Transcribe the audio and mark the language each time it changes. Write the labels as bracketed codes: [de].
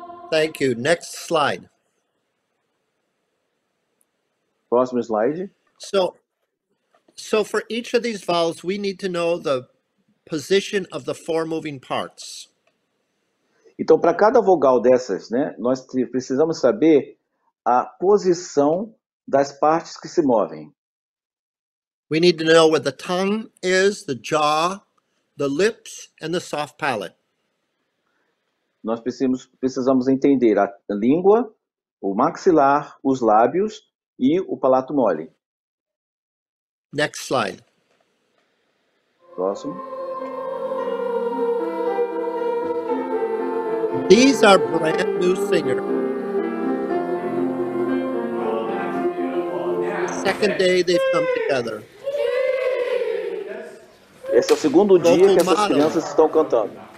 [en] Thank you. Next slide. [pt] Próximo slide. [en] So for each of these vowels, we need to know the position of the four moving parts. [pt] Então, para cada vogal dessas, né, nós precisamos saber a posição das partes que se movem. [en] We need to know where the tongue is, the jaw, the lips, and the soft palate. [pt] Nós precisamos entender a língua, o maxilar, os lábios e o palato mole. [en] Next slide. [pt] Próximo. [en] These are brand new singers. Second day they've come together. [pt] Esse é o segundo dia que essas crianças estão cantando.